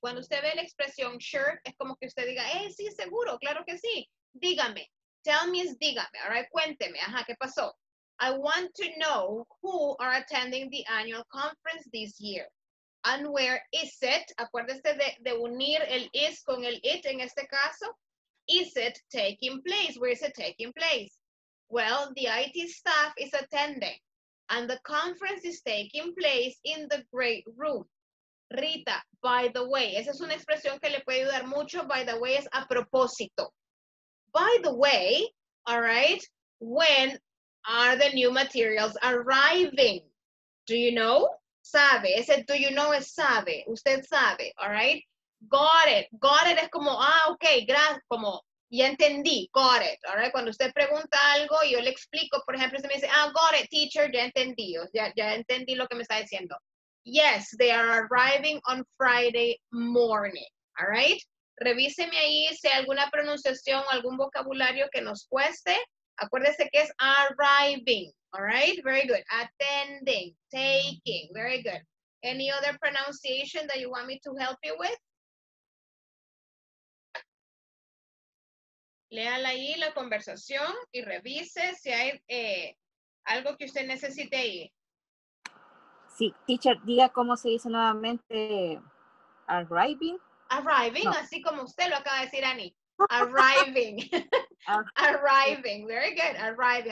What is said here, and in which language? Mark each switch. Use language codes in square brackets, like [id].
[es] Cuando usted ve la expresión sure, es como que usted diga, hey, sí, seguro, claro que sí. Dígame. [en] Tell me [es] es dígame, all right? Cuénteme, ajá, ¿qué pasó? [en] I want to know who are attending the annual conference this year. And where is it? [es] Acuérdese de unir el is con el it en este caso. [en] Is it taking place? Where is it taking place? Well, the IT staff is attending and the conference is taking place in the great room. [es] Rita, [en] by the way, [es] esa es una expresión que le puede ayudar mucho. [en] By the way, [es] es a propósito. [en] By the way, all right, when are the new materials arriving? Do you know? [es] Sabe, ese [en] do you know [es] es sabe, usted sabe, [en] all right? Got it [es] es como, ah, ok, gracias, como, ya entendí, got it, all right? Cuando usted pregunta algo, yo le explico, por ejemplo, usted me dice, ah, [en] got it, teacher, [es] ya entendí, o sea, ya entendí lo que me está diciendo. [en] Yes, they are arriving on Friday morning, all right? [es] Revíseme ahí si hay alguna pronunciación o algún vocabulario que nos cueste. Acuérdese que es arriving. All right, [en] very good. Attending, taking, very good. Any other pronunciation that you want me to help you with? [es] Léala ahí la conversación y revise si hay algo que usted necesite ahí. Sí, teacher, diga cómo se dice nuevamente arriving. [en] Arriving, no. [es] Así como usted lo acaba de decir, Ani. [en] Arriving. Arriving, very good, arriving.